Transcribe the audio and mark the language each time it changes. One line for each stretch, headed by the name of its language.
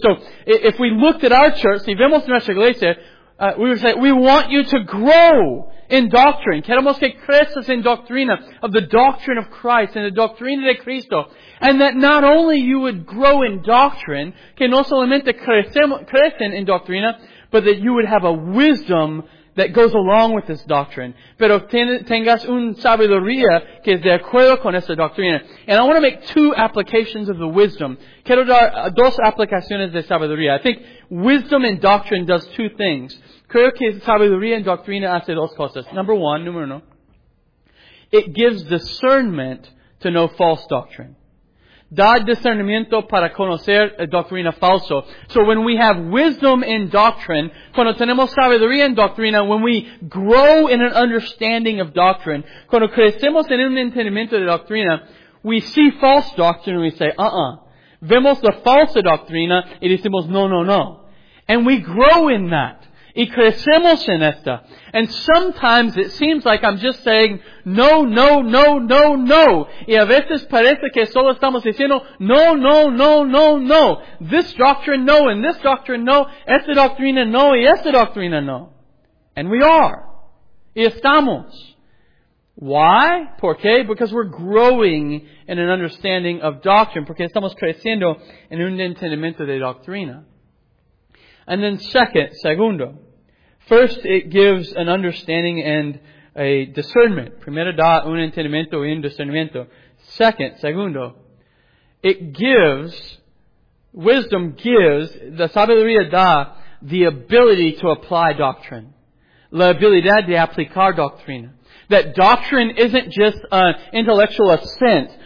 English: So, if we looked at our church,
Spanish: si vemos nuestra iglesia,
English: we would say, we want you to grow in doctrine.
Spanish: Queremos que creces en doctrina,
English: of the doctrine of Christ, and the
Spanish: doctrina de Cristo.
English: And that not only you would grow in doctrine,
Spanish: que no solamente crecen en doctrina,
English: but that you would have a wisdom that goes along with this doctrine.
Spanish: Pero tengas un sabiduría que es de acuerdo con esta doctrina.
English: And I want to make two applications of the wisdom.
Spanish: Quiero dar dos aplicaciones de sabiduría.
English: I think wisdom and doctrine does two things.
Spanish: Creo que sabiduría and doctrina hace dos cosas.
English: Number one,
Spanish: número uno.
English: It gives discernment to know false doctrine.
Spanish: Da discernimiento para conocer doctrina falso.
English: So when we have wisdom in doctrine,
Spanish: cuando tenemos sabiduría en doctrina,
English: when we grow in an understanding of doctrine,
Spanish: cuando crecemos en un entendimiento de doctrina,
English: we see false doctrine and we say, uh-uh.
Spanish: Vemos la falsa doctrina y decimos, no, no, no.
English: And we grow in that.
Spanish: Y crecemos en esta.
English: And sometimes it seems like I'm just saying, no, no, no, no, no.
Spanish: Y a veces parece que solo estamos diciendo, no, no, no, no, no.
English: This doctrine, no, and this doctrine, no.
Spanish: Esta doctrina, no, y esta doctrina, no.
English: And we are.
Spanish: Y estamos.
English: Why?
Spanish: ¿Por qué?
English: Because we're growing in an understanding of doctrine. Porque estamos creciendo en un entendimiento de doctrina. And then segundo. First, it gives an understanding and a discernment.
Spanish: Primero da un entendimiento y un discernimiento.
English: Segundo, it gives, wisdom gives,
Spanish: la sabiduría da,
English: the ability to apply doctrine.
Spanish: La habilidad de aplicar doctrina.
English: That doctrine isn't just an intellectual assent.